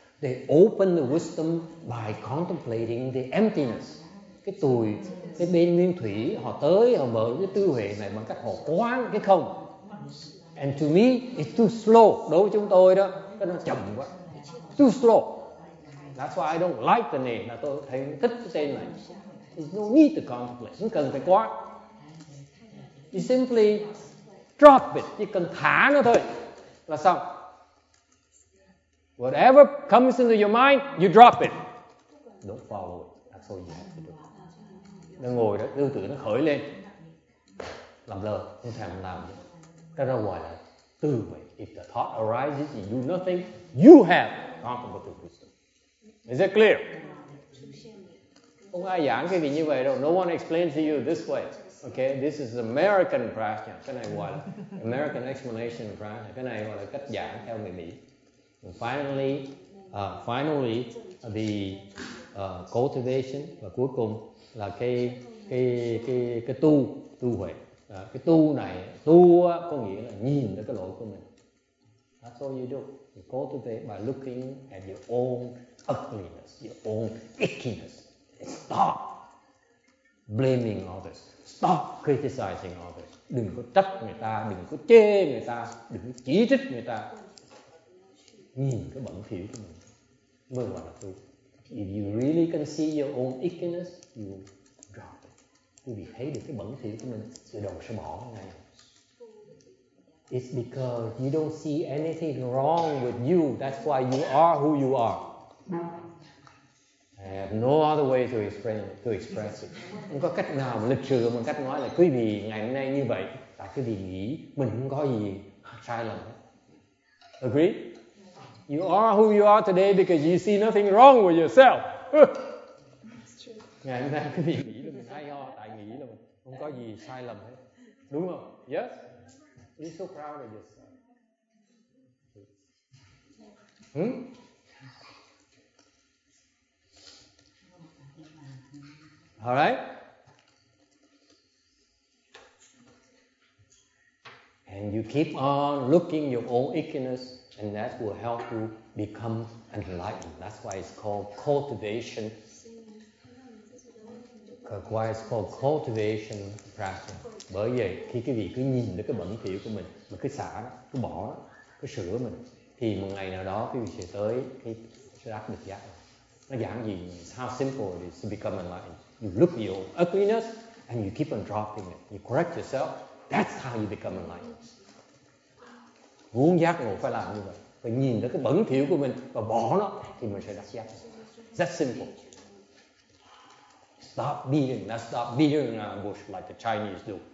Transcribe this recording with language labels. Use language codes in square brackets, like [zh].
[en] They open the wisdom by contemplating the emptiness. [vi] Cái tùi, cái bên nguyên thủy, họ tới, họ mở cái tư huệ này bằng cách họ quán cái không. [en] And to me, it's too slow. [vi] Đối với chúng tôi đó, cái nó chậm quá. [en] Too slow. That's why I don't like the name. [vi] Là tôi thấy thích cái tên này. [en] There's no need to contemplate. [vi] Không cần phải quán. [en] You simply drop it. [vi] Chỉ cần thả nó thôi là xong. [en] Whatever comes into your mind, you drop it. Don't follow it. That's all you have to do. [vi] Nó ngồi đó, tư tưởng nó khởi lên. Làm lơ, không thèm làm gì. Cái đó gọi là tư vậy. [en] If the thought arises, you do nothing, you have contemplative wisdom. Is that clear? [vi] Không ai giảng cái gì như vậy đâu. [en] No one explains to you this way. Okay, this is American prajna. [vi] Cái này gọi là [en] American explanation of prajna. [vi] Cái này gọi là cách giảng theo người Mỹ. [en] And finally, the cultivation [vi] và cuối cùng là cái tu tu huệ. Cái tu này, tu có nghĩa là nhìn thấy cái lỗi của mình. [en] That's all you do. You go to the, by looking at your own ugliness, your own ickiness. Stop blaming others. Stop criticizing others. [vi] Đừng có trách người ta, đừng có chê người ta, đừng có chỉ trích người ta. Nhìn cái bẩn thỉu của mình. Mới gọi là tu. [en] If you really can see your own ickiness, you drop it. [vi] Quý vị thấy được cái bẩn thỉu của mình, rồi đầu sẽ bỏ ngay. [en] It's because you don't see anything wrong with you. That's why you are who you are. I have no other way to express it. [vi] Không có cách nào mà lịch sự mà cách nói là quý vị ngày hôm nay như vậy là quý vị nghĩ mình không có gì sai lầm. [en] Agree? You are who you are today because you see nothing wrong with yourself. [vi] Ngày hôm nay quý vị nghĩ là mình hay ho tại nghĩ là mình không có gì sai lầm hết. Đúng không? [en] Yes? You're so proud of yourself. All right? And you keep on looking your own ickiness, and that will help you become enlightened. That's why it's called cultivation. Why it's called cultivation practice. [vi] Bởi vậy, khi quý vị cứ nhìn thấy cái bẩn thỉu của mình, mà cứ xả, cứ bỏ, cứ sửa mình, thì một ngày nào đó quý vị sẽ tới cái đắc được giác. Nó giảng gì? [en] How simple it is to become enlightened. You look at your ugliness and you keep on dropping it. You correct yourself. That's how you become enlightened. [vi] Muốn giác ngộ phải làm như vậy. Phải nhìn thấy cái bẩn thỉu của mình và bỏ nó thì mình sẽ đắc giác. [en] That's simple. Stop beating. Now stop beating a bush like the Chinese do.